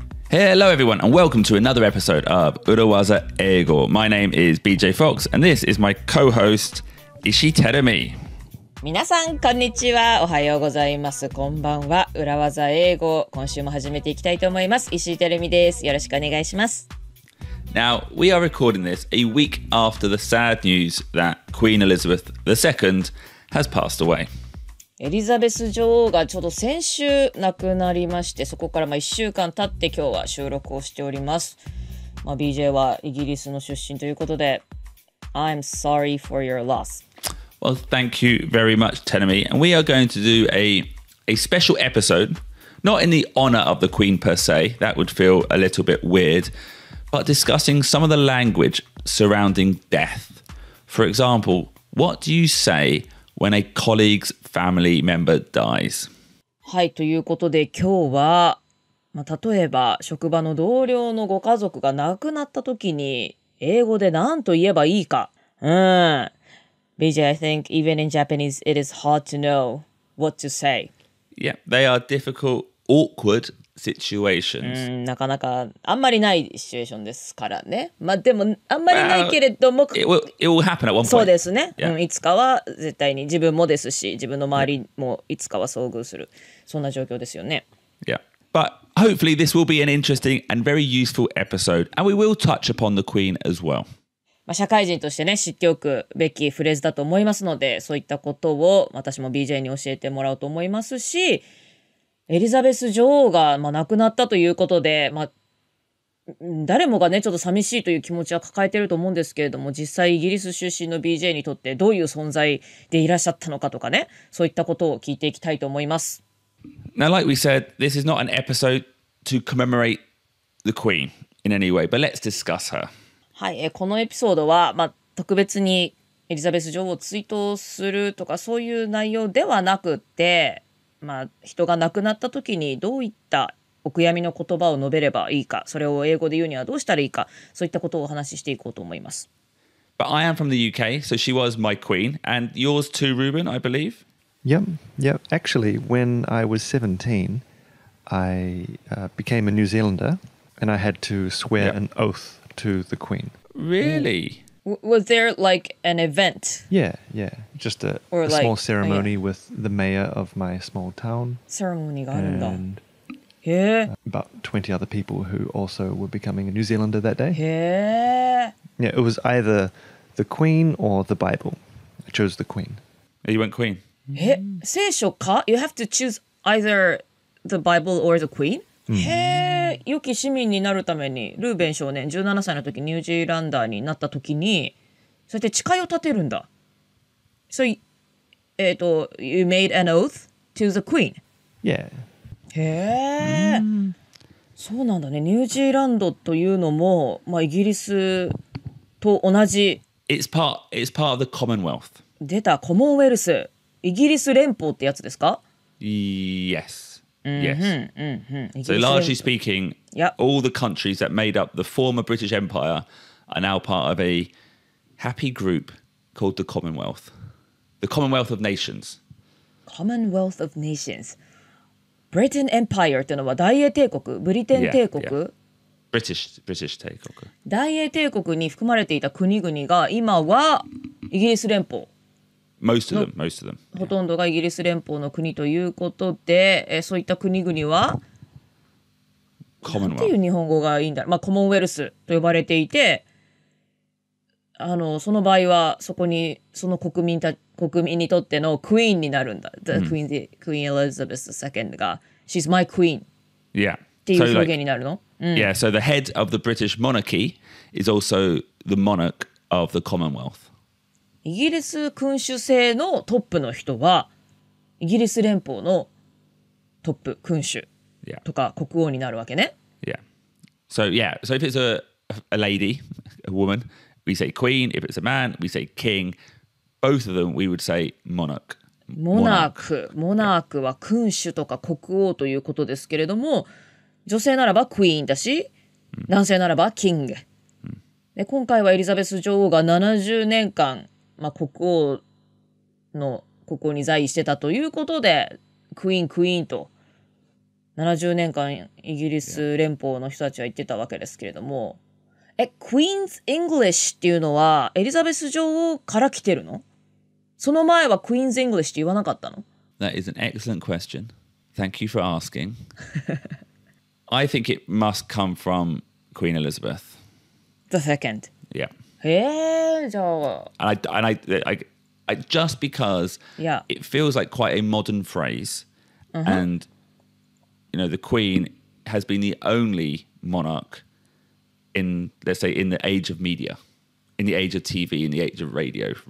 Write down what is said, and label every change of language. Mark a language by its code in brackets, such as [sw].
[en] Hello everyone and welcome to another episode of 裏技英語. My name is BJ Fox and this is my co-host Ishi Terumi. [ja] 皆さんこんにちは。おはようございます。こんばんは。裏技英語、今週も始めていきたいと思います。 Ishi Terumiです。よろしくお願いします。 [en] Now, we are recording this a week after the sad news that Queen Elizabeth II has passed away. [ja] エリザベス女王がちょうど先週亡くなりまして、そこからまあ1週間経って今日は収録をしております。まあ、BJ はイギリスの出身ということで [en] I'm sorry for your loss. Well, thank you very much, Tenemi. And we are going to do a special episode, not in the honor of the Queen per se, that would feel a little bit weird, but discussing some of the language surrounding death. For example, what do you say when a colleague'sFamily member dies. [ja] はい、ということで今日は、まあ、例えば職場の同僚のご家族が亡くなった時に英語で何と言えばいいか。 [en] BJ, I think even in Japanese, it is hard to know what to say. Yeah, they are difficult, awkward situations. [ja] なかなかあんまりないシチュエーションですからね。まあでもあんまりないけれども、 [en] it will happen at one point. [ja] そうですね。 [en] Yeah. [ja] いつかは絶対に自分もですし、自分の周りもいつかは遭遇する。そんな状況ですよね。 [en] Yeah. But hopefully this will be an interesting and very useful episode. And we will touch upon the Queen as well. [ja] まあ社会人としてね、知っておくべきフレーズだと思いますので、そういったことを私も BJ に教えてもらおうと思いますし、エリザベス女王が、まあ、亡くなったということで、まあ、誰もがねちょっと寂しいという気持ちは抱えていると思うんですけれども、実際イギリス出身の BJ にとってどういう存在でいらっしゃったのかとかね、そういったことを聞いていきたいと思います。 [en] Now like we said, this is not an episode to commemorate the Queen in any way, but let's discuss her. [ja] はい、このエピソードは、まあ、特別にエリザベス女王を追悼するとかそういう内容ではなくて、まあ、人が亡くなった時にどういったお悔やみの言葉を述べればいいか、それを英語で言うにはどうしたらいいか、そういったことをお話ししていこうと思います。 [en] But I am from the UK, so she was my queen, and yours too, Ruben, I believe? Yep, yep. Actually, when I was 17, I became a New Zealander, and I had to swear an oath to the queen. Really? Was there like an event? Yeah, yeah. Just a like, small ceremony with the mayor of my small town. [ja] Ceremony があるんだ。 [en] And about 20 other people who also were becoming a New Zealander that day. Yeah, it was either the Queen or the Bible. I chose the Queen. You went Queen. [ja] 聖書か? [en] You have to choose either the Bible or the Queen? [ja] 良き市民になるためにルーベン少年17歳の時ニュージーランダーになった時にそれで誓いを立てるんだ。 [en] So, you made an oath to the queen? Yeah. [ja] へえ。そうなんだね。ニュージーランドというのも、まあ、イギリスと同じ。 [en] It's part of the Commonwealth. [ja] 出た、コモンウェルス。イギリス連邦ってやつですか? [en] Yes. Yes. So, largely speaking, all the countries that made up the former British Empire are now part of a happy group called the Commonwealth. The Commonwealth of Nations. Commonwealth of Nations. [ja] Britain Empire というのは大英帝国、ブリテン帝国。 British 帝国。大英帝国に含まれていた国々が今はイギリス連邦。 [en] Most of them. [ja] ほとんどがイギリス連邦の国ということで、そういった国々は、 [en] Commonwealth。 [ja] なんていう日本語がいいんだ。まあ、コモンウェルスと呼ばれていて、あのその場合はそこにその国民にとってのクイーンになるんだ。 [en] The Queen, the Queen Elizabeth II が She's my queen. Yeah. [ja] っていう表現になるの? [en] Yeah, so the head of the British monarchy is also the monarch of the Commonwealth. [ja] イギリス君主制のトップの人はイギリス連邦のトップ君主とか国王になるわけね。 [en] So if it's a lady, a woman,We say queen, if it's a man, we say king. Both of them, we would say monarch. [ja] Monarch. Monarch は君主とか国王ということですけれども、女性ならば queen だし、男性ならば king。で、今回はエリザベス女王が70年間、まあ、国王に在位してたということで、queen と70 70年間イギリス連邦の人たちは言ってたわけですけれども、え、クイーンズ・イングリッシュっていうのはエリザベス女王から来てるの？その前はクイーンズ・イングリッシュって言わなかったの？ [en] That is an excellent question. Thank you for asking. I think it must come from Queen Elizabeth. The second. Yeah. [ja] へー、じゃあ。 [en] And I just because、 yeah. it feels like quite a modern phrase、uh-huh. and you know, the Queen has been the only monarch in, let's say, in the age of media, in the age of TV, in the age of radio.